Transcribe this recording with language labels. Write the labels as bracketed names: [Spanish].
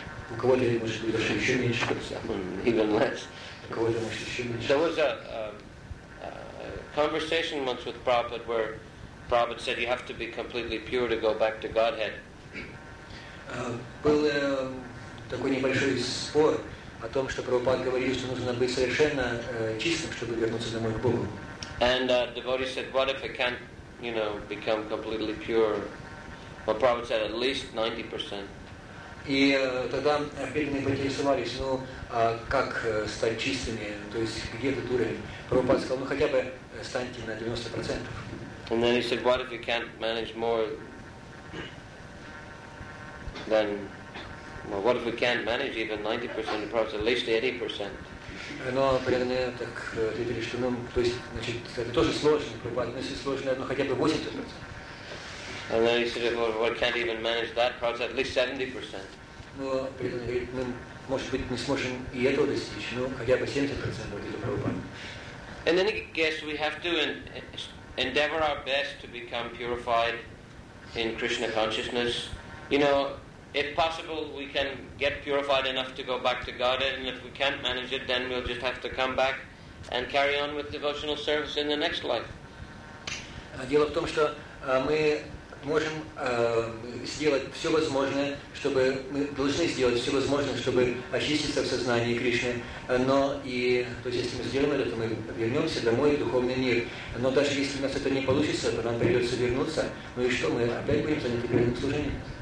[Russian] У кого-то может быть даже еще меньше. [English] Someone even less. [Russian] У кого-то может еще меньше. [English] There was a conversation once with Prabhupada where Prabhupada said you have to be completely pure to go back to Godhead. [Russian] Был такой небольшой спор о том, что Прабхупада говорил, что нужно быть совершенно чистым, чтобы вернуться домой к Богу. [English] And devotee said, what if I can't, you know, become completely pure? Well, Prabhupada said at least 90%. [Russian] И тогда преданные поинтересовались, ну, а как стать чистыми, то есть где этот уровень? Прабхупада сказал, ну хотя бы станьте на 90%. [English] And then he said, what if you can't manage more than, well, what if we can't manage even 90%? The Prabhupada said, at least 80%. [Russian] Но преданные так ответили, что, ну, то есть, значит, это тоже сложно, Прабхупада, но если сложно, ну, хотя бы 80%. [English] And then he said, well, we can't even manage that, perhaps at least 70%. [Russian] Ну, преданные говорят, мы, может быть, не сможем и этого достичь, ну, хотя бы 70% будет у Прабхупады. [English] In any case, we have to endeavor our best to become purified in Krishna consciousness. You know, if possible, we can get purified enough to go back to Godhead, and if we can't manage it, then we'll just have to come back and carry on with devotional service in the next life. [Russian] Дело в том, что мы можем сделать все возможное, чтобы мы должны сделать все возможное, чтобы очиститься в сознании Кришны. Но и то есть, если мы сделаем это, то мы вернемся домой в духовный мир. Но даже если у нас это не получится, то нам придется вернуться. Ну и что, мы опять будем заняты преданным служением?